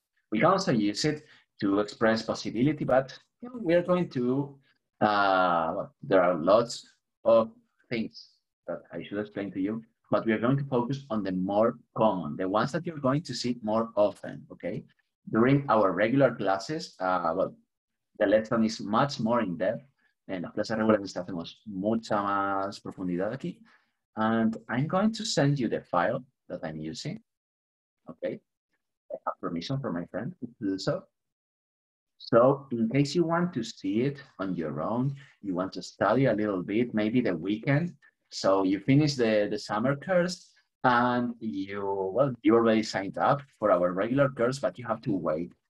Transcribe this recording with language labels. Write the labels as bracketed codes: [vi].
[en] We can also use it to express possibility, but you know, we're going to, there are lots of things that I should explain to you, but we are going to focus on the more common, the ones that you're going to see more often, okay? During our regular classes, well, the lesson is much more in depth. [es] En las clases regulares hacemos mucha más profundidad aquí. [en] And I'm going to send you the file that I'm using, okay? I have permission from my friend to do so. So in case you want to see it on your own, you want to study a little bit, maybe the weekend. So you finish the summer course and you, well, you already signed up for our regular course, but you have to wait.